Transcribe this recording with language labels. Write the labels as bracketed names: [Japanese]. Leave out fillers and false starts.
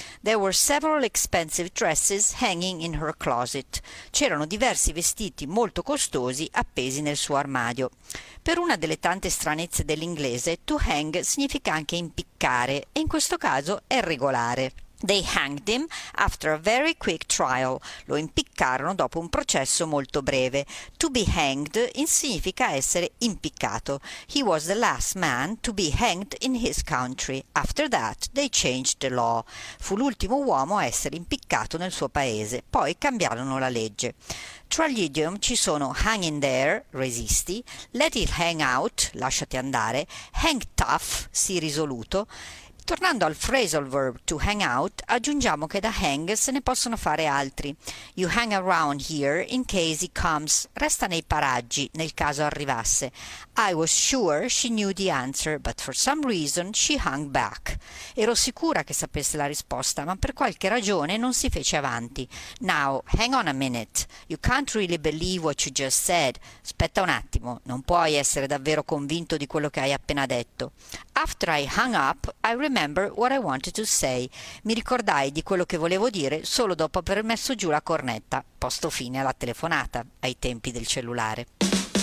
[English] There were several expensive dresses hanging in her closet. [Italian] C'erano diversi vestiti molto costosi appesi nel suo armadio. Per una delle tante stranezze dell'inglese, to hang significa anche impiccare e in questo caso è regolare. [English] They hanged him after a very quick trial. [Italian] Lo impiccarono dopo un processo molto breve. [English] To be hanged [Italian] significa essere impiccato. [English] He was the last man to be hanged in his country. After that, they changed the law. [Italian] Fu l'ultimo uomo a essere impiccato nel suo paese. Poi cambiarono la legge. Tra gli idiom ci sono [English] hang in there, [Italian] resisti, [English] let it hang out, [Italian] lasciati andare, [English] hang tough, [Italian] sii risoluto. Tornando al phrasal verb to hang out, aggiungiamo che da hang se ne possono fare altri. [English] You hang around here in case he comes. [Italian] Resta nei paraggi nel caso arrivasse. [English] I was sure she knew the answer, but for some reason she hung back. [Italian] Ero sicura che sapesse la risposta, ma per qualche ragione non si fece avanti. [English] Now, hang on a minute. You can't really believe what you just said. [Italian] Aspetta un attimo, non puoi essere davvero convinto di quello che hai appena detto. [English] After I hung up, I remember what I wanted to say. [Italian] Mi ricordai di quello che volevo dire solo dopo aver messo giù la cornetta, posto fine alla telefonata, ai tempi del cellulare.